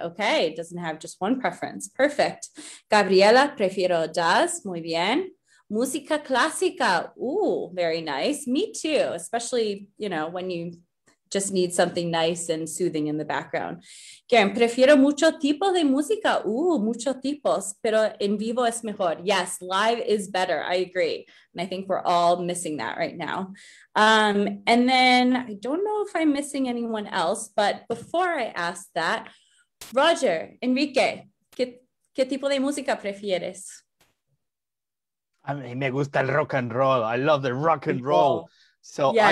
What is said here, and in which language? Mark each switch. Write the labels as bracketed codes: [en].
[en] Okay, doesn't have just one preference. Perfect. Gabriela, [es] prefiero jazz. Muy bien. Música clásica. Ooh, [en] very nice. Me too, especially, you know, when you just need something nice and soothing in the background. [es] Karen, prefiero mucho tipo de música. Ooh, mucho tipos, pero en vivo es mejor. [en] Yes, live is better, I agree. And I think we're all missing that right now. And then I don't know if I'm missing anyone else, but before I ask that, Roger, Enrique, [es] ¿qué tipo de música prefieres? [en] I mean, [es] me gusta el [en] rock and roll. I love the rock and roll. So yes.